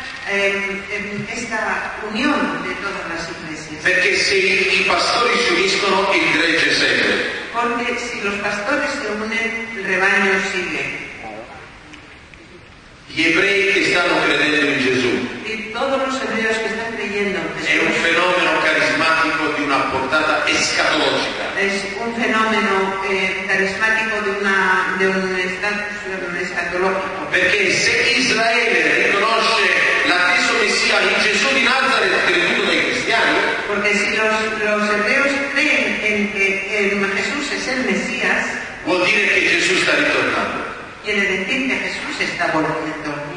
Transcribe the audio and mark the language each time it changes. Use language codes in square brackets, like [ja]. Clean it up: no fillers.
[es] Esta unión de todas las iglesias. [it] Perché se i pastori si uniscono il gregge segue. [es] Porque si los pastores se unen el rebaño sigue. [it] Gli ebrei che stanno credendo in Gesù. [es] Y todos los hebreos que están creyendo. [it] È un fenomeno carismatico di una portata escatológica. [es] Es un fenómeno carismático de un estatus escatológico. [it] Perché se Israele riconosce in Gesù di Nazareth creduto dai cristiani, [es] perché se los hebreos creen en que Jesús es el Mesías, [it] vuol dire che Gesù sta ritornando. [es] Quiere decir que Jesús está volviendo.